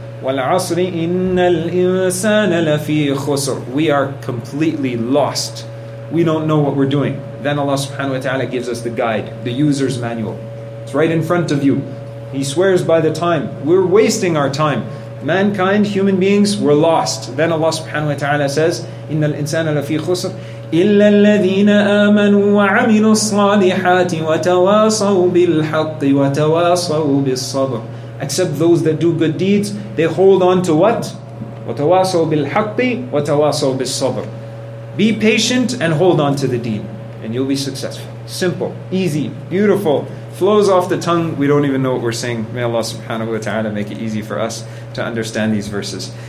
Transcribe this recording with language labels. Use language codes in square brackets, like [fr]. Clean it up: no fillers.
[ar] وَالْعَصْرِ إِنَّ الْإِنسَانَ لَفِي خُسْرٍ. [en] We are completely lost. We don't know what we're doing. Then Allah subhanahu wa ta'ala gives us the guide, the user's manual. It's right in front of you. He swears by the time. We're wasting our time. Mankind, human beings, we're lost. Then Allah subhanahu wa ta'ala says, [ar] إِنَّ الْإِنسَانَ لَفِي خُسْرٍ إِلَّا الَّذِينَ آمَنُوا وَعَمِلُوا الصَّالِحَاتِ وَتَوَاصَوْا بِالْحَقِّ وَتَوَاصَوْا بِالصَّبْرِ. [en] Except those that do good deeds, they hold on to what? [ar] وَتَوَاصَوْا بِالْحَقِّ وَتَوَاصَوْا بِالصَّبْرِ. [en] Be patient and hold on to the deen, and you'll be successful. Simple, easy, beautiful, flows off the tongue, we don't even know what we're saying. May Allah subhanahu wa ta'ala make it easy for us to understand these verses.